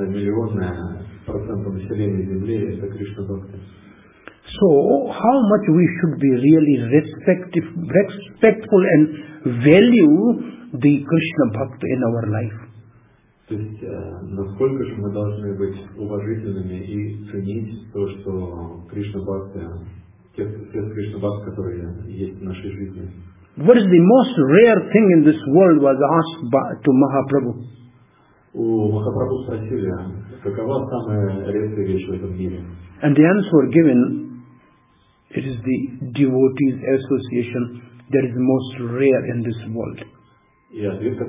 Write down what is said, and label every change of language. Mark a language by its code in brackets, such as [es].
[ru] 1/10,000 или 1,000,000% населения Земли это Кришна-бхакта. [en] So, how much we should be really respectful and value the Krishna Bhakta in our life? [ru] То есть, насколько же мы должны быть уважительными и ценить то, что Кришна Бхакта, те Кришна Бхакта, которые есть в нашей жизни? [en] What is the most rare thing in this world was asked to Mahaprabhu? [ru] У Махапрабху спросили, какова самая редкая вещь в этом мире? [en] And the answer were given, it is the devotees association that is most rare in this world.